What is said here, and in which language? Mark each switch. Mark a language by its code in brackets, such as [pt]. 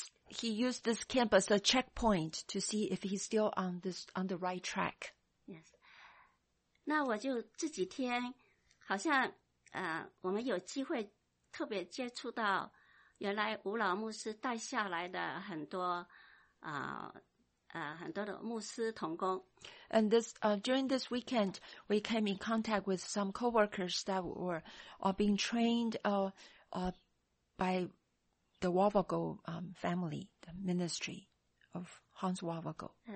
[en] He used this camp as a checkpoint to see if he's still on the right track. Yes. [zh] 那我就这几天好像我们有机会特别接触到原来吴老牧师带下来的很多很多的牧师同工。 [en] And this, during this weekend, we came in contact with some co-workers that were being trained by the Wavago family, the ministry of Hans Wavago.